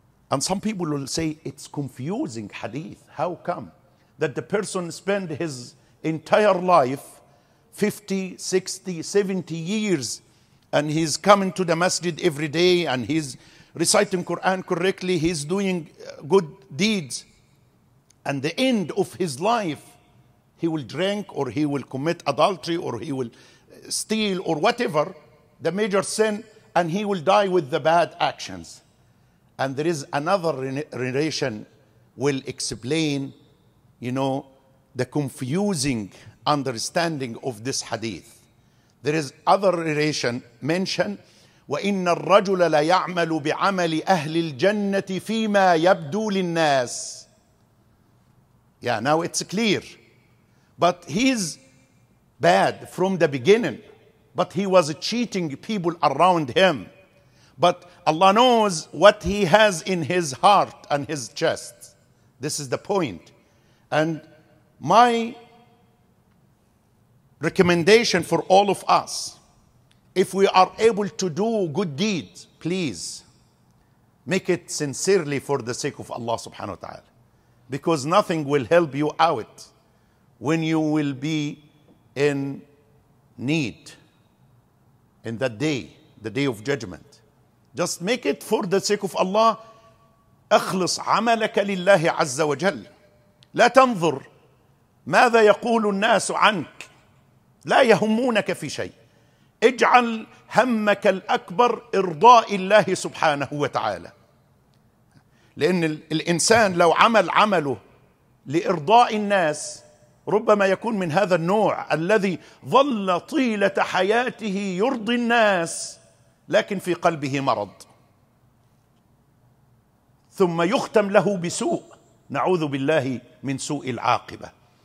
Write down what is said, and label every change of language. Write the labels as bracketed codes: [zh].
[en] And some people will say, it's confusing hadith. How come that the person spend his entire life, 50, 60, 70 years, and he's coming to the masjid every day, and he's reciting Quran correctly, he's doing good deeds, and the end of his life, he will drink, or he will commit adultery, or he will steal, or whatever, the major sin, and he will die with the bad actions. And there is another narration will explain, you know, the confusing understanding of this hadith. There is other narration mentioned, [ar] وَإِنَّ الرَّجُلَ لَيَعْمَلُ بِعَمَلِ أَهْلِ الْجَنَّةِ فِي مَا يَبْدُو لِلنَّاسِ. [en] Yeah, now it's clear. But he's bad from the beginning. But he was cheating people around him. But Allah knows what he has in his heart and his chest. This is the point. And my recommendation for all of us, if we are able to do good deeds, please make it sincerely for the sake of Allah subhanahu wa ta'ala. Because nothing will help you out when you will be in need in that day, the day of judgment. Just make it for the sake of Allah. [ar] أخلص عملك لله عز وجل. لا تنظر ماذا يقول الناس عنك. لا يهمونك في شيء. اجعل همك الأكبر إرضاء الله سبحانه وتعالى. لأن الإنسان لو عمل عمله لإرضاء الناس ربما يكون من هذا النوع الذي ظل طيلة حياته يرضي الناس لكن في قلبه مرض، ثم يختم له بسوء، نعوذ بالله من سوء العاقبة.